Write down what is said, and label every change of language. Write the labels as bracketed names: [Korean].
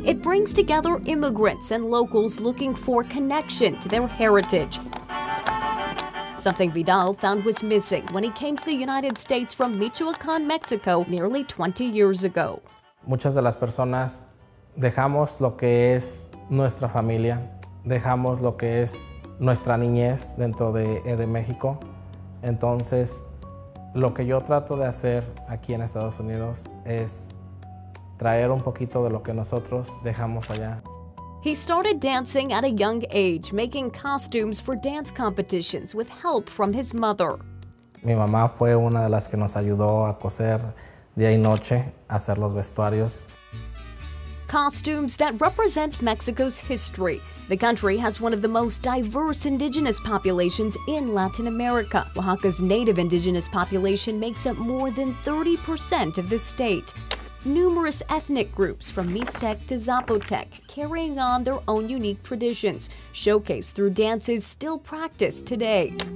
[English] It brings together immigrants and locals looking for connection to their heritage. Something Vidal found was missing when he came to the United States from Michoacán, Mexico, nearly 20 years ago. [Spanish] Muchas de las personas dejamos lo que es nuestra familia, dejamos lo que es nuestra niñez dentro de México. Entonces, lo que yo trato de hacer aquí en Estados Unidos es traer un poquito de lo que nosotros dejamos allá. [English] He started dancing at a young age, making costumes for dance competitions with help from his mother. [Spanish] Mi mamá fue una de las que nos ayudó a coser día y noche, a hacer los vestuarios. [English] Costumes that represent Mexico's history. The country has one of the most diverse indigenous populations in Latin America. Oaxaca's native indigenous population makes up more than 30% of the state. Numerous ethnic groups from Mixtec to Zapotec carrying on their own unique traditions, showcased through dances still practiced today.